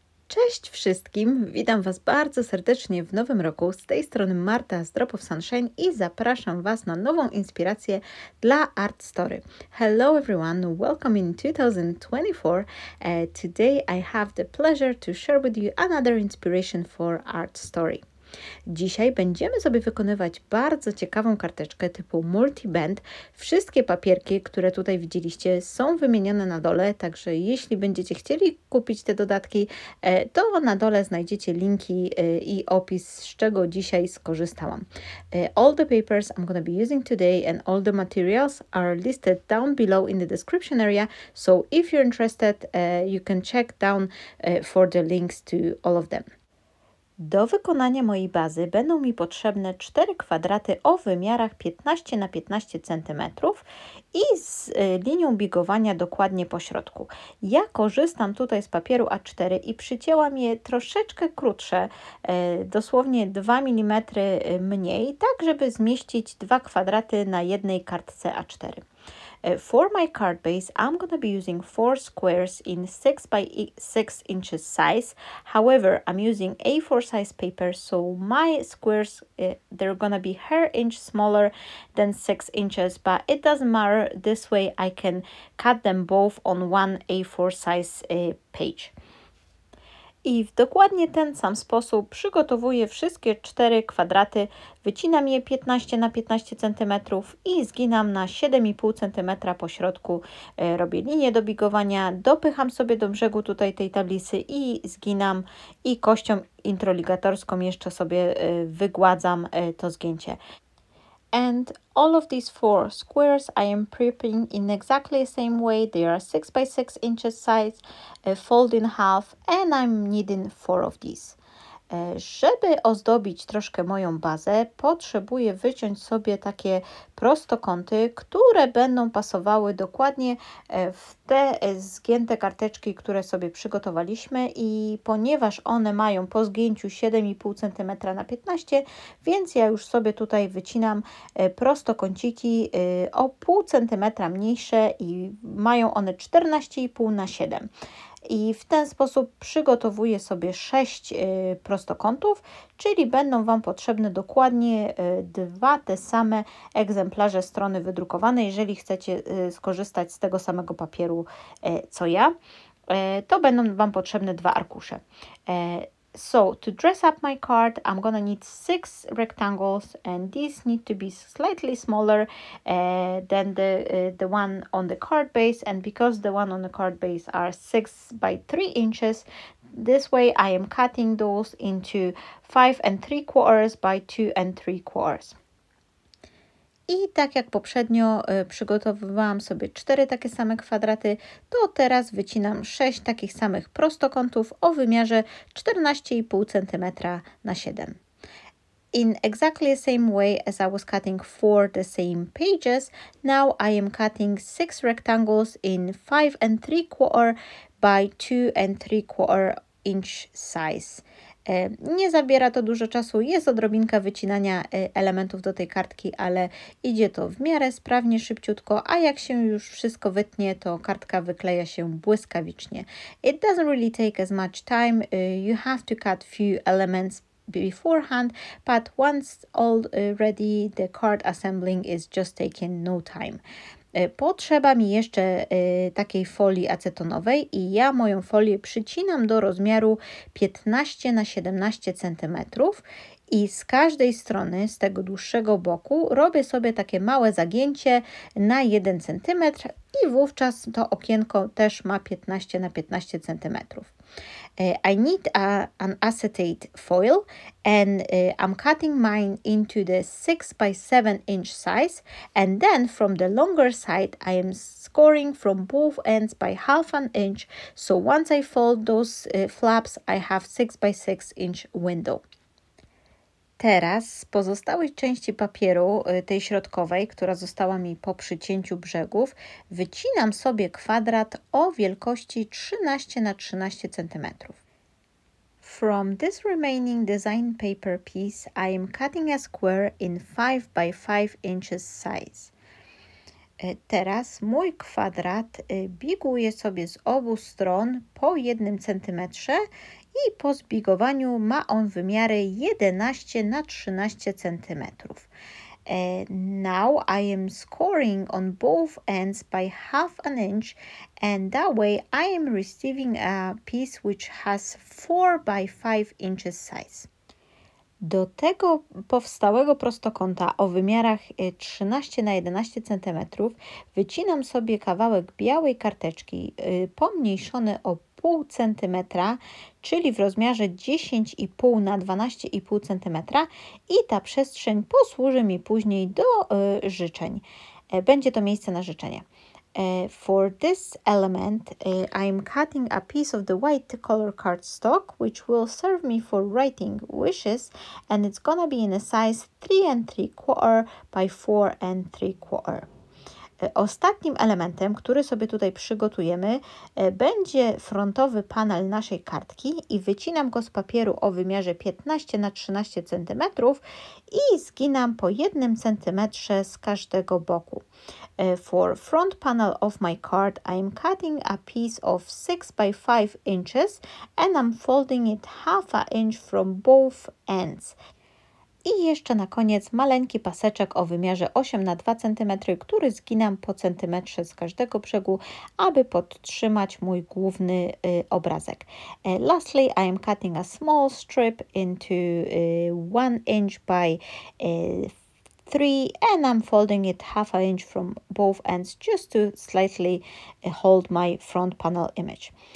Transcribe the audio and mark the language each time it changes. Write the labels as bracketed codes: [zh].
[pl] Cześć wszystkim, witam Was bardzo serdecznie w nowym roku. Z tej strony Marta z Drop of Sunshine i zapraszam Was na nową inspirację dla Art Story. [en] Hello everyone, welcome in 2024. Today I have the pleasure to share with you another inspiration for Art Story. [pl] Dzisiaj będziemy sobie wykonywać bardzo ciekawą karteczkę typu multiband. Wszystkie papierki, które tutaj widzieliście, są wymienione na dole, także jeśli będziecie chcieli kupić te dodatki, to na dole znajdziecie linki i opis, z czego dzisiaj skorzystałam. [en] All the papers I'm gonna be using today and all the materials are listed down below in the description area, so if you're interested, you can check down for the links to all of them. [pl] Do wykonania mojej bazy będą mi potrzebne 4 kwadraty o wymiarach 15 na 15 cm i z linią bigowania dokładnie po środku. Ja korzystam tutaj z papieru A4 i przycięłam je troszeczkę krótsze, dosłownie 2 mm mniej, tak żeby zmieścić 2 kwadraty na jednej kartce A4. [en] For my card base, I'm going to be using 4 squares in 6x6 inches size. However, I'm using A4 size paper, so my squares, they're going to be hair inch smaller than 6 inches, but it doesn't matter. This way I can cut them both on one A4 size page. [pl] I w dokładnie ten sam sposób przygotowuję wszystkie 4 kwadraty, wycinam je 15 na 15 cm i zginam na 7,5 cm po środku. Robię linię do bigowania, dopycham sobie do brzegu tutaj tej tablicy i zginam i kością introligatorską jeszcze sobie wygładzam to zgięcie. [en] And all of these 4 squares I am prepping in exactly the same way. They are 6x6 inches size, fold in half, and I'm needing 4 of these. [pl] Żeby ozdobić troszkę moją bazę, potrzebuję wyciąć sobie takie prostokąty, które będą pasowały dokładnie w te zgięte karteczki, które sobie przygotowaliśmy, i ponieważ one mają po zgięciu 7,5 cm na 15, więc ja już sobie tutaj wycinam prostokąciki o pół centymetra mniejsze i mają one 14,5 na 7. I w ten sposób przygotowuję sobie 6 prostokątów, czyli będą Wam potrzebne dokładnie 2 te same egzemplarze strony wydrukowanej. Jeżeli chcecie skorzystać z tego samego papieru co ja, to będą Wam potrzebne 2 arkusze. [en] So, to dress up my card, I'm gonna need 6 rectangles and these need to be slightly smaller than the one on the card base, and because the one on the card base are 6x3 inches, this way I am cutting those into 5¾ by 2¾. [pl] I tak jak poprzednio przygotowywałam sobie 4 takie same kwadraty, to teraz wycinam 6 takich samych prostokątów o wymiarze 14,5 cm na 7. [en] In exactly the same way as I was cutting 4 the same pages, now I am cutting 6 rectangles in 5¾ by 2¾ inch size. [pl] Nie zabiera to dużo czasu, jest odrobinka wycinania elementów do tej kartki, ale idzie to w miarę sprawnie, szybciutko, a jak się już wszystko wytnie, to kartka wykleja się błyskawicznie. [en] It doesn't really take as much time, you have to cut few elements beforehand, but once all ready, the card assembling is just taking no time. [pl] Potrzeba mi jeszcze takiej folii acetonowej i ja moją folię przycinam do rozmiaru 15 na 17 cm i z każdej strony, z tego dłuższego boku, robię sobie takie małe zagięcie na 1 cm i wówczas to okienko też ma 15 na 15 cm. [en] I need an acetate foil and I'm cutting mine into the 6x7 inch size, and then from the longer side I am scoring from both ends by 1/2 inch, so once I fold those flaps I have 6x6 inch window. [pl] Teraz z pozostałej części papieru, tej środkowej, która została mi po przycięciu brzegów, wycinam sobie kwadrat o wielkości 13 na 13 cm. [en] From this remaining design paper piece, I am cutting a square in 5x5 inches size. [pl] Teraz mój kwadrat biguje sobie z obu stron po 1 cm i po zbigowaniu ma on wymiary 11 na 13 cm. [en] Now I am scoring on both ends by half an inch, and that way I am receiving a piece which has 4 by 5 inches size. [pl] Do tego powstałego prostokąta o wymiarach 13 na 11 cm wycinam sobie kawałek białej karteczki pomniejszony o 0,5 cm, czyli w rozmiarze 10,5 na 12,5 cm i ta przestrzeń posłuży mi później do życzeń. Będzie to miejsce na życzenie. [en] For this element, I'm cutting a piece of the white color cardstock, which will serve me for writing wishes, and it's gonna be in a size 3¾ by 4¾. [pl] Ostatnim elementem, który sobie tutaj przygotujemy, będzie frontowy panel naszej kartki i wycinam go z papieru o wymiarze 15 na 13 cm i zginam po 1 cm z każdego boku. [en] For front panel of my card, I'm cutting a piece of 6 by 5 inches and I'm folding it half an inch from both ends. [pl] I jeszcze na koniec maleńki paseczek o wymiarze 8 na 2 cm, który zginam po centymetrze z każdego brzegu, aby podtrzymać mój główny obrazek. [en] Lastly, I am cutting a small strip into 1 inch by 3 and I'm folding it half an inch from both ends just to slightly hold my front panel image.